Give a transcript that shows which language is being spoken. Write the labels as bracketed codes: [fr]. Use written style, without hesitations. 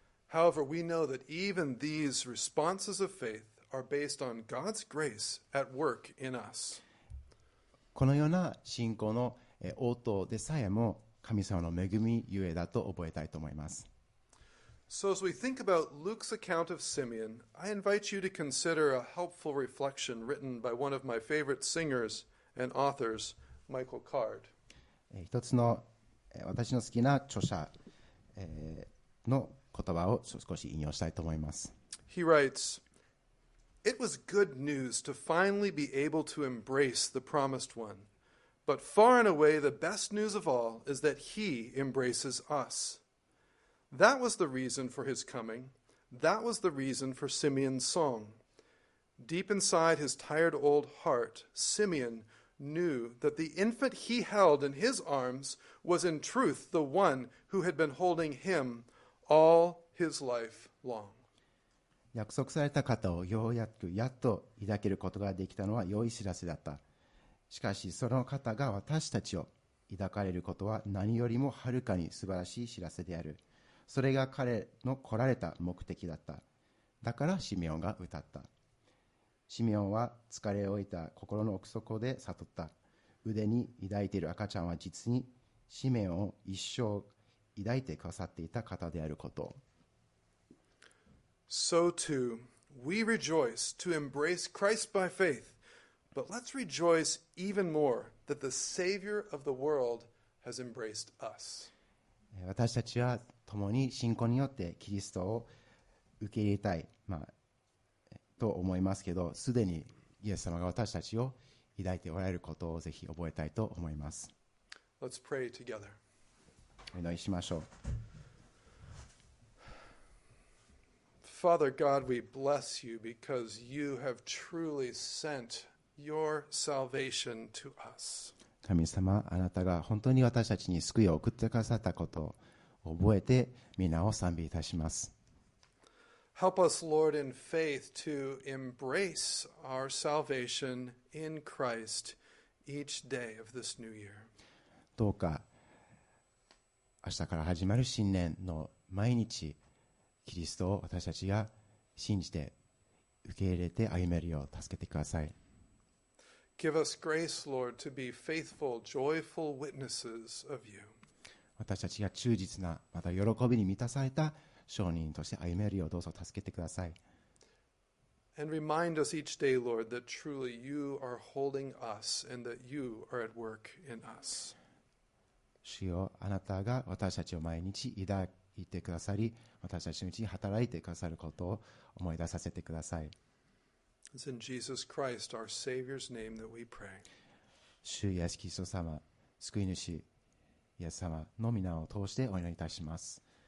[en] However, we know that even these responses of faith are based on God's grace at work in us. [ja] このような信仰の応答でさえも神様の恵みゆえだと覚えたいと思います。 [en] So as we think about Luke's account of Simeon, I invite you to consider a helpful reflection written by one of my favorite singers and authors, Michael Card. [ja] 一つの私の好きな著者の言葉を少し引用したいと思います。 [en] He writes, "It was good news to finally be able to embrace the promised one. But far and away, the best news of all is that he embraces us." That was the reason for his coming. That was the reason for Simeon's song. Deep inside his tired old heart, Simeon knew that the infant he held in his arms was in truth the one who had been holding him all his life long. [ja] 約束された方をようやくやっと抱けることができたのは良い知らせだった。しかしその方が私たちを抱かれることは何よりもはるかに素晴らしい知らせである。それが彼の来られた目的だった。だからシメオンが歌った。シメオンは疲れ老いた心の奥底で悟った。腕に抱いている赤ちゃんは実にシメオンを一生抱いてくださっていた方であること。 [en] So too we rejoice to embrace Christ by faith, but let's rejoice even more that the Savior of the world has embraced us. [ja] 私たちは共に信仰によってキリストを受け入れたい、まあ、と思いますけど、すでにイエス様が私たちを抱いておられることをぜひ覚えたいと思います。 [en] Let's pray together. [ja] お祈りしましょう。 [en] Father God, we bless you because you have truly sent your salvation to us. [ja] 神様、あなたが本当に私たちに救いを送ってくださったことを覚えて皆を賛美いたします。 [en] Help us, Lord, in faith to embrace our salvation in Christ each day of this new year. [ja] どうか明日から始まる新年の毎日、キリストを私たちが信じて受け入れて歩めるよう助けてください。 [en] Give us grace, Lord, to be faithful, joyful witnesses of you. [ja] 私たちが忠実な、また喜びに満たされた証人として歩めるようどうぞ助けてください。 [en] And remind us each day, Lord, that truly you are holding us and that you are at work in us. [ja] 主よ、あなたが私たちを毎日抱いてくださり、私たちのうちに働いてくださることを思い出させてください。 [en] It's in Jesus Christ, our Savior's name, that we pray. [ja] 主イエスキリスト様、救い主イエス様の皆を通してお祈りいたします。